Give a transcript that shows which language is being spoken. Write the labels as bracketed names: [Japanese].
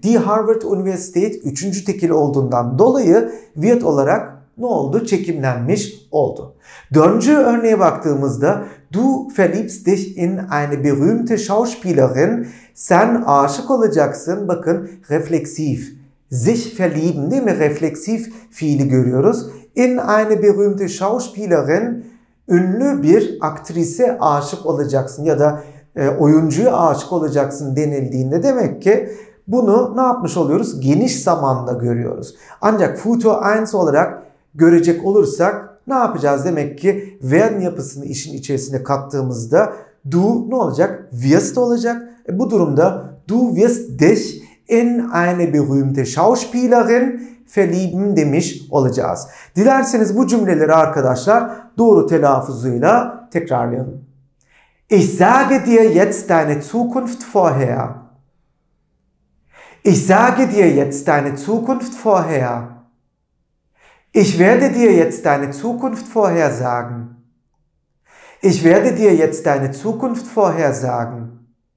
[Turkish] Die Harvard Universität üçüncü tekil olduğundan dolayı wird olarak ne oldu? Çekimlenmiş oldu. Dördüncü örneğe baktığımızda [German] du verliebst dich in eine berühmte Schauspielerin. [Turkish] Sen aşık olacaksın. Bakın refleksif. Sich verlieben değil mi? Refleksif fiili görüyoruz. [German] In eine berühmte Schauspielerin. [Turkish] Ünlü bir aktrise aşık olacaksın ya da oyuncuya aşık olacaksın denildiğinde demek ki bunu ne yapmış oluyoruz? Geniş zamanda görüyoruz. Ancak Futur 1 olarak görecek olursak ne yapacağız? Demek ki werden yapısını işin içerisine kattığımızda du ne olacak? Wirst olacak. Bu durumda [German] du wirst dich in eine berühmte Schauspielerin verlieben [Turkish] demiş olacağız. Dilerseniz bu cümleleri arkadaşlar doğru telaffuzuyla tekrarlayalım. [German] Ich sage dir jetzt deine Zukunft vorher. Ich sage dir jetzt deine Zukunft vorher. Ich werde dir jetzt deine Zukunft vorhersagen. Ich werde dir jetzt deine Zukunft vorhersagen.